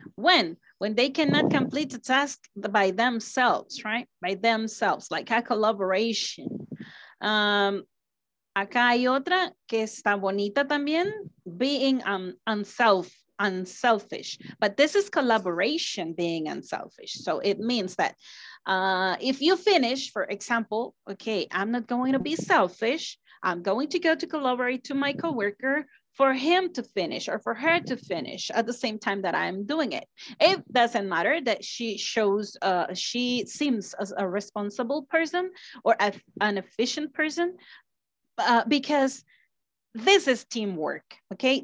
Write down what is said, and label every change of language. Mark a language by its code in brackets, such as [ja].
[en] When they cannot complete a task by themselves, right? By themselves, like a collaboration. [es] Acá hay otra que está bonita también, [en] being unselfish. But this is collaboration, being unselfish. So it means that if you finish, for example, okay, I'm not going to be selfish. I'm going to go to collaborate to my coworker for him to finish or for her to finish at the same time that I'm doing it. It doesn't matter that she shows, she seems as a responsible person or an efficient person, because this is teamwork, okay?